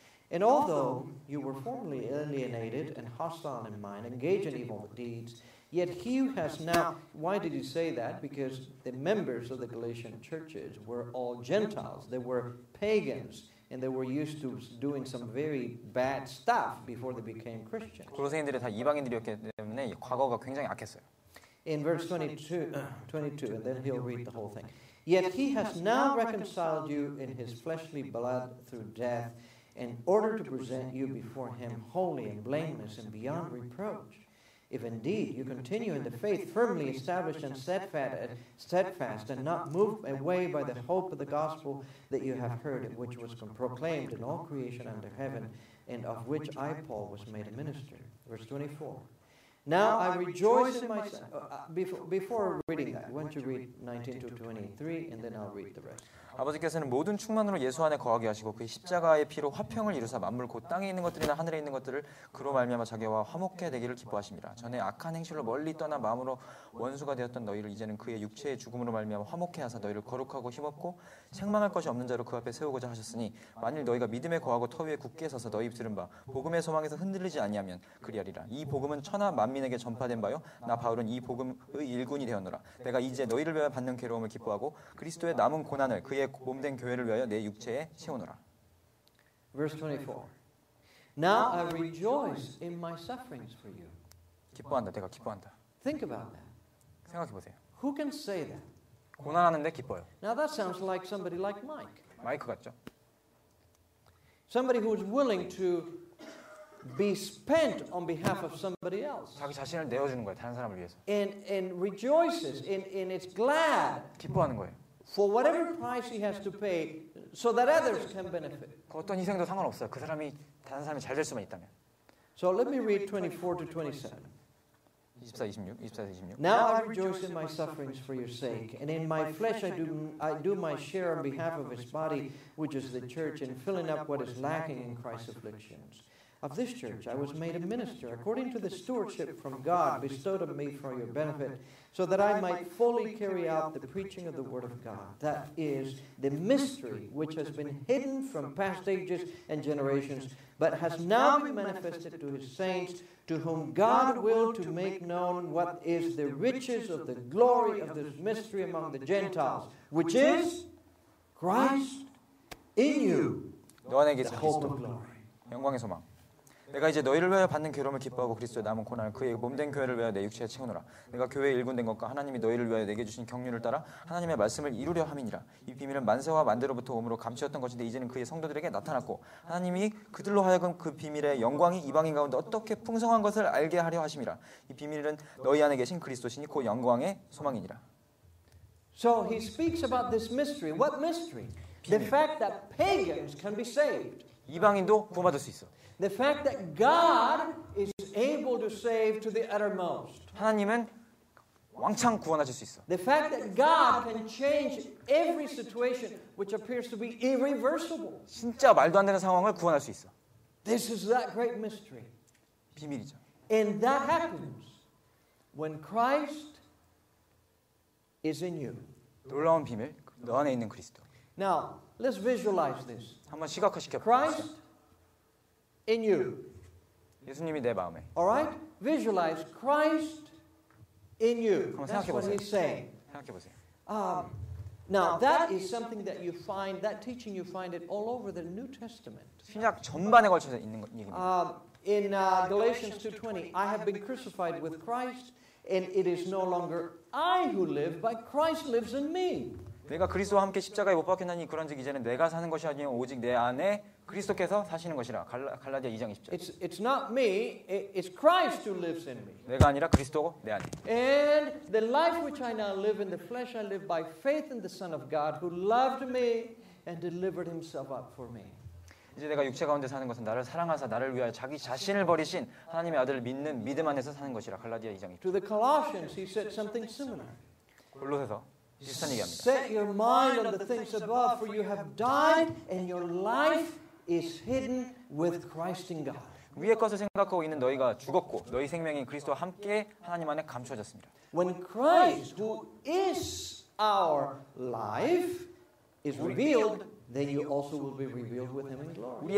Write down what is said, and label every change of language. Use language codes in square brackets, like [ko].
[en] And although you were formerly alienated and hostile in mind, engaged in evil deeds, yet he has now, why did he say that? Because the members of the Galatian churches were all Gentiles. They were pagans. And they were used to doing some very bad stuff before they became Christians. [ko] 고로새인들이 다 이방인들이었기 때문에 과거가 굉장히 악했어요. [en] In verse 22, and then he'll read the whole thing. Yet he has now reconciled you in his fleshly blood through death in order to present you before him holy and blameless and beyond reproach. If indeed you continue in the faith firmly established and steadfast and not moved away by the hope of the gospel that you have heard, which was proclaimed in all creation under heaven, and of which I, Paul, was made a minister. Verse 24. Now I rejoice in myself. Before reading that, why don't you read 19 to 23, and then I'll read the rest. [ko] 아버지께서는 모든 충만으로 예수 안에 거하게 하시고 그 십자가의 피로 화평을 이루사 만물고 땅에 있는 것들이나 하늘에 있는 것들을 그로 말미암아 자기와 화목케 되기를 기뻐하십니다. 전에 악한 행실로 멀리 떠나 마음으로 원수가 되었던 너희를 이제는 그의 육체의 죽음으로 말미암아 화목케 하사 너희를 거룩하고 힘없고 책망할 것이 없는 자로 그 앞에 세우고자 하셨으니 만일 너희가 믿음에 거하고 터 위에 굳게 서서 너희 들은 바 복음의 소망에서 흔들리지 아니하면 그리하리라. 이 복음은 천하 만민에게 전파된 바요 나 바울은 이 복음의 일꾼이 되었노라. 내가 이제 너희를 위하여 받는 괴로움을 기뻐하고 그리스도의 남은 고난을 그의 몸된 교회를 위하여 내 육체에 채우노라. [en] Verse 24. Now I rejoice in my sufferings for you. [ko] 기뻐한다. 내가 기뻐한다. [en] Think about that. [ko] 생각해 보세요. [en] Who can say that? [ko] 고난하는데 기뻐요. [en] Now that sounds like somebody like Mike. [ko] 마이크 같죠? [en] Somebody who is willing to be spent on behalf of somebody else. [ko] 자기 자신을 내어 주는 거예요. 다른 사람을 위해서. [en] And rejoices in it's glad. [ko] 기뻐하는 거예요. [en] For whatever price he has to pay, so that others can benefit. [ko] 어떤 희생도 상관없어요. 그 사람이 다른 사람이 잘 될 수만 있다면. [en] So let me read 24 to 27. 24, 26. Now I rejoice in my sufferings for your sake, and in my flesh I do my share on behalf of his body, which is the church, in filling up what is lacking in Christ's afflictions. Of this church I was made a minister, according to the stewardship from God bestowed on me for your benefit, so that I might fully carry out the preaching of the word of God, that is, the mystery which has been hidden from past ages and generations, but has now been manifested to his saints, to whom God willed to make known what is the riches of the glory of this mystery among the Gentiles, which is Christ in you, the hope of glory. [ko] 영광의 소망. 내가 이제 너희를 위하여 받는 괴로움을 기뻐하고 그리스도의 남은 고난을 그의 몸된 교회를 위하여 내 육체에 채우노라. 내가 교회에 일군된 것과 하나님이 너희를 위하여 내게 주신 경륜을 따라 하나님의 말씀을 이루려 함이니라. 이 비밀은 만세와 만대로부터 오므로 감추었던 것인데 이제는 그의 성도들에게 나타났고 하나님이 그들로 하여금 그 비밀의 영광이 이방인 가운데 어떻게 풍성한 것을 알게 하려 하심이라. 이 비밀은 너희 안에 계신 그리스도시니 곧 영광의 소망이니라. [en] So he speaks about this mystery. What mystery? The fact that pagans can be saved. [ko] 이방인도 구원받을 수 있어. [en] The fact that God is able to save to the uttermost. [ko] 하나님은 왕창 구원하실 수 있어. [en] The fact that God can change every situation which appears to be irreversible. [ko] 진짜 말도 안 되는 상황을 구원할 수 있어. [en] This is that great mystery. [ko] 비밀이죠. [en] And that happens when Christ is in you. [ko] 놀라운 비밀, 너 안에 있는 그리스도. [en] Now, let's visualize this. [ko] 한번 시각화시켜 [en] Christ [ko] 봅시다. [en] In you. [ko] 예수님이 내 마음에. [en] All right? Visualize Christ in you. [ko] 한번 생각해 보세요. [en] That's what he's saying. [ko] 생각해 보세요. [en] Now that is something that you find, that teaching you find it all over the New Testament. [ko] 신약 전반에 걸쳐서 있는 얘기입니다. [en] Galatians 2:20, I have been crucified with Christ and it is no longer I who live, but Christ lives in me. [ko] 내가 그리스도와 함께 십자가에 못 박혔나니 그런즉 이제는 내가 사는 것이 아니요 오직 내 안에 그리스도께서 사시는 것이라. 갈라디아 2장 20절. [en] It's not me, it's Christ who lives in me. [ko] 내가 아니라 그리스도고 내 안에. [en] And the life which I now live in the flesh I live by faith in the Son of God who loved me and delivered himself up for me. [ko] 이제 내가 육체 가운데 사는 것은 나를 사랑하사 나를 위하여 자기 자신을 버리신 하나님의 아들을 믿는 믿음 안에서 사는 것이라. 갈라디아 2장 20절. [en] To the Colossians he said something similar. [ko] 골로새서 [en] Set your mind on the things above, for you have died, and your life is hidden with Christ in God. [ko] 위의 것을 생각하고 있는 너희가 죽었고 너희 생명이 그리스도와 함께 하나님 안에 감추어졌습니다. [en] When Christ, who is our life, is revealed, then you also will be revealed with Him in glory.